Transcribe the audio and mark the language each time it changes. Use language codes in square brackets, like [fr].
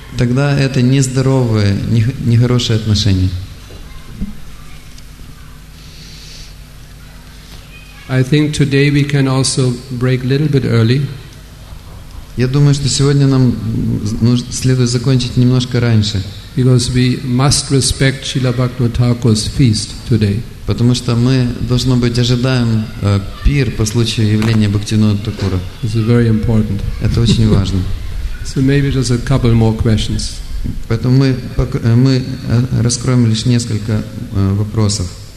[ru] Тогда это нездоровые, нехорошие отношения. [en] I think today we can also break a little bit early. [ru] Я думаю, что сегодня нам следует закончить немножко раньше. [en] Because we must respect Srila Bhakti Thakur's feast today. [ru] Потому что мы, должно быть, ожидаем пир по случаю явления Бхактивинода Такура. [en] This is very important. [ru] Это очень важно. [en] So maybe just a couple more questions. [ru] Поэтому мы раскроем лишь несколько вопросов.